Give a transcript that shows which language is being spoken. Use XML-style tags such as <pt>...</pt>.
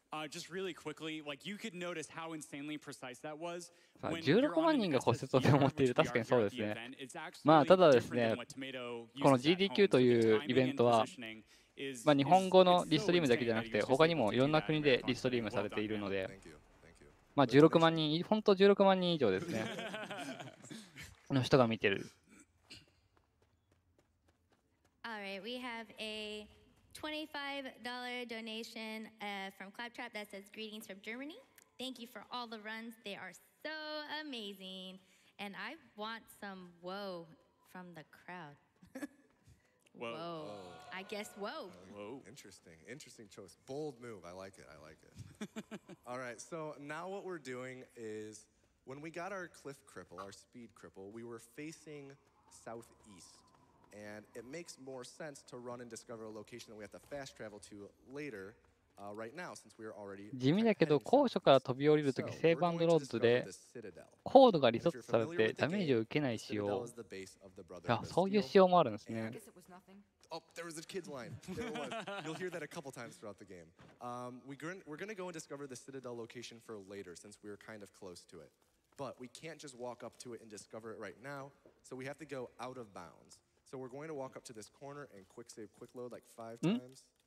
<en>Just really quickly, like you could notice how insanely precise that was.</en> <ja>16万人が骨折と思っている、確かにそうですね。まあただですね、この GDQ というイベントは、まあ日本語のリストリームだけじゃなくて、他にもいろんな国でリストリームされているので、まあ16万人、本当16万人以上ですね、の人が見てる。</ja> <en>All right, we have a... $25 donation from Claptrap that says greetings from Germany. Thank you for all the runs. They are so amazing. And I want some whoa from the crowd. whoa. I guess whoa. Whoa. Interesting. Interesting choice. Bold move. I like it. I like it. all right. So now what we're doing is when we got our cliff cripple, our speed cripple, we were facing southeast. And it makes more sense to run and discover a location that we have to fast travel to later, right now, since we're already.</en> <ja>地味だけど高所から飛び降りるとき、セーブ&ロードで高度がリソットされてダメージを受けない仕様。いや、そういう仕様もあるんですね。</ja> <en>Oh, there was a kid's line. There it was. You'll hear that a couple times throughout the game. We're going to go and discover the Citadel location for later, since we're kind of close to it. But we can't just walk up to it and discover it right now, so we have to go out of bounds. So we're going to walk up to this corner and quick save, quick load like five times.</en>